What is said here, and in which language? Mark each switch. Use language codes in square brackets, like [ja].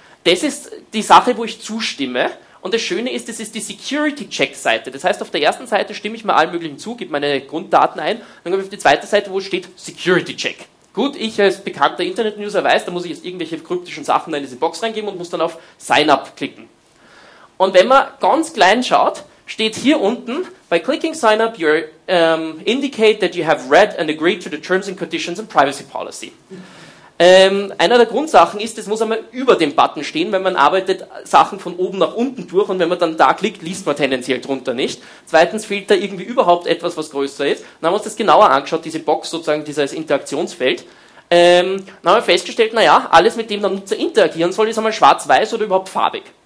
[de] Das ist die Sache, wo ich zustimme. Und das Schöne ist, das ist die Security-Check-Seite. Das heißt, auf der ersten Seite stimme ich mir allen möglichen zu, gebe meine Grunddaten ein. Dann komme ich auf die zweite Seite, wo steht Security-Check. Gut, ich als bekannter Internet-User weiß, da muss ich jetzt irgendwelche kryptischen Sachen in diese Box reingeben und muss dann auf Sign-Up klicken. Und wenn man ganz klein schaut, steht hier unten, [en] by clicking sign up, you indicate that you have read and agreed to the terms and conditions and privacy policy. [de] Einer der Grundsachen ist, es muss einmal über dem Button stehen, weil man arbeitet Sachen von oben nach unten durch und wenn man dann da klickt, liest man tendenziell drunter nicht. Zweitens fehlt da irgendwie überhaupt etwas, was größer ist. Dann haben wir uns das genauer angeschaut, diese Box sozusagen, dieses Interaktionsfeld. Dann haben wir festgestellt, naja, alles mit dem der Nutzer interagieren soll, ist einmal schwarz-weiß oder überhaupt farbig.